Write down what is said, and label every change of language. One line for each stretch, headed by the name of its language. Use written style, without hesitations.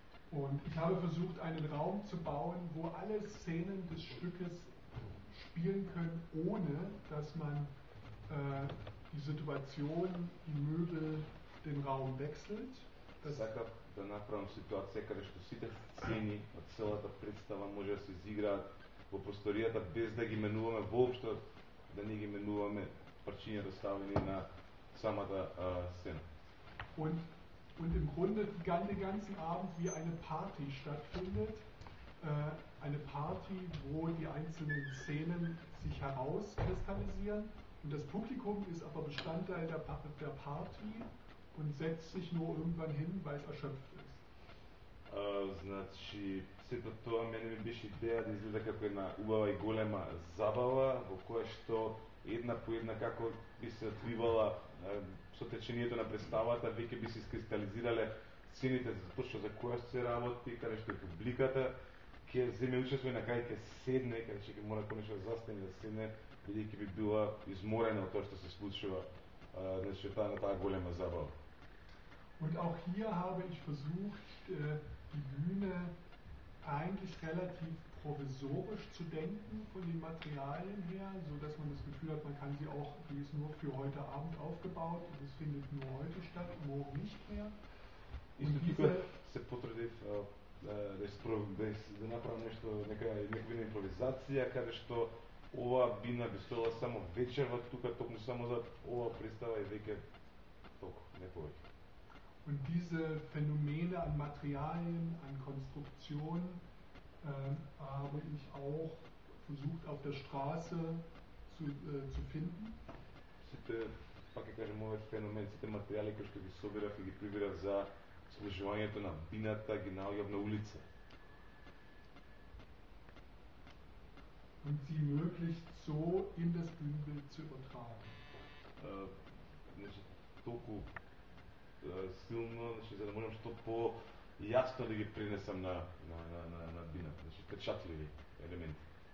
German: Und ich habe versucht einen Raum zu bauen, wo alle Szenen des Stückes spielen können, ohne dass man die Situation, die Möbel, den Raum wechselt.
Macedonian: Сакав да направам ситуација каде што сите сцени од целата представа може да се изиграат во просторијата без да ги менуваме воопшто, да не ги менуваме причините доставени на самата сцена.
German: Und im Grunde den ganzen Abend wie eine Party stattfindet, eine Party, wo die einzelnen Szenen sich herauskristallisieren. Und das Publikum ist aber Bestandteil der Party und setzt sich nur irgendwann hin, weil es erschöpft ist.
Macedonian: Значи, сето тоа мене ми беше идеја да изгледа како една убава и голема забава, во која што една по една како би се отвивала со течението на представата, веќе би се искристализирале сцените точно за која се работи, каде што е публиката, ќе земе учество и на кај ќе седне, каде што ќе мора конечно да застане да седне, бидејќи би била изморена од тоа што се случува, значи таа на таа голема забава.
German: Und auch hier habe ich versucht, die Bühne eigentlich relativ provisorisch zu denken von den Materialien her, so dass man das Gefühl hat, man kann sie auch, die ist nur für heute Abend aufgebaut und es findet nur heute statt, morgen nicht mehr. Und diese
Macedonian: се потрудив да направам нешто, некоја импровизација, каде што ова бина би стоела само вечерва тука, токму само за ова представа и веќе толку, не повеќе.
German: Und diese Phänomene an Materialien, an Konstruktion habe ich auch versucht auf der Straße zu finden.
Macedonian: Сите, пак ќе кажем, овој феномен, сите материали кои што ги собирав и ги прибирав за служувањето на бината ги наоѓав на улица.
German: Und sie möglichst so in das Bühnenbild zu übertragen.
Macedonian: Значи, толку силно, значи, за да можам што по-јасно да ги пренесам на бината, значи, печатливи елементи.